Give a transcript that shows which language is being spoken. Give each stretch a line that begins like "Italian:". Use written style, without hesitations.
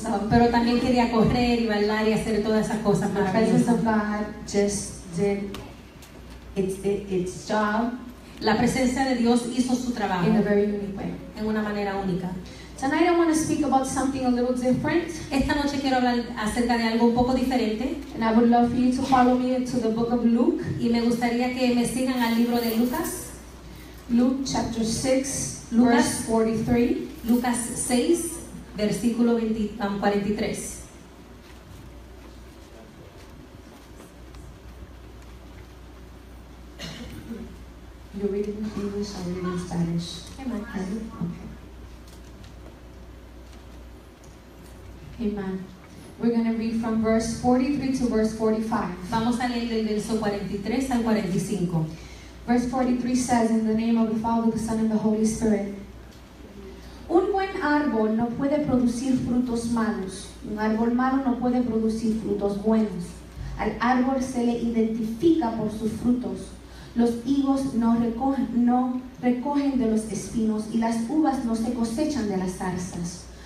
Spanish: Pero también quería correr y bailar y hacer todas esas cosas.
English: The presence of God just did its job.
Spanish: La presencia de Dios hizo su trabajo.
English: In a very unique way.
Spanish: En una manera única.
English: Tonight I want to speak about something a little different.
Spanish: Esta noche quiero hablar acerca de algo un poco diferente.
English: And I would love for you to follow me to the book of Luke.
Spanish: Y me gustaría que me sigan al libro de Lucas.
English: Luke chapter 6, Lucas, verse 43.
Spanish: Lucas 6, versículo 43.
English: You're reading in English, I'm reading in Spanish. Amen. Okay. Amen. We're going to read from verse 43 to verse 45.
Spanish: Vamos a leer del verso 43 al 45.
English: Verse 43 says, in the name of the Father, the Son, and the Holy Spirit.
Spanish: Un buen árbol no puede producir frutos malos. Un árbol malo no puede producir frutos buenos. Al árbol se le identifica por sus frutos. Los higos no recogen de los espinos y las uvas no se cosechan de las zarzas.